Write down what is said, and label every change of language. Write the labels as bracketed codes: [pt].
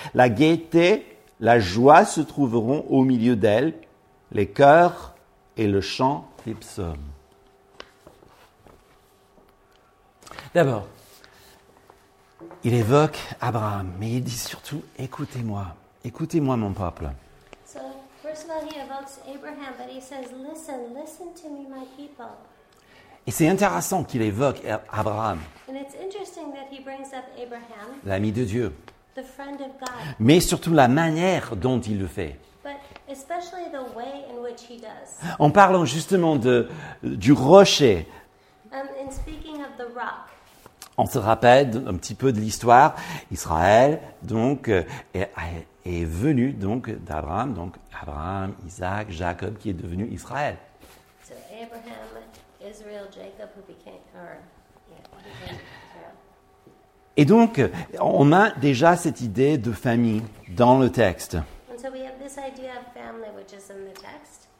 [fr] La gaieté, la joie se trouveront au milieu d'elle, les chœurs et le chant des psaumes. D'abord, il évoque Abraham, mais il dit surtout, écoutez-moi mon peuple. [en] So, first of all, he evokes Abraham, but he says, listen to me, my people. [fr] Et c'est intéressant qu'il évoque Abraham, [en] and it's interesting that he brings up Abraham, [fr] l'ami de Dieu, [en] the friend of God. [fr] Mais surtout la manière dont il le fait. [en] But especially the way in which he does. [fr] En parlant justement du rocher, [en] in speaking of the rock, [fr] on se rappelle un petit peu de l'histoire. Israël donc est venu donc d'Abraham, donc Abraham, Isaac, Jacob qui est devenu Israël. [en] So Abraham, Israel, Jacob who became, or, yeah. [fr] Et donc on a déjà cette idée de famille dans le texte. [en] And so we have this idea of family which is in the text.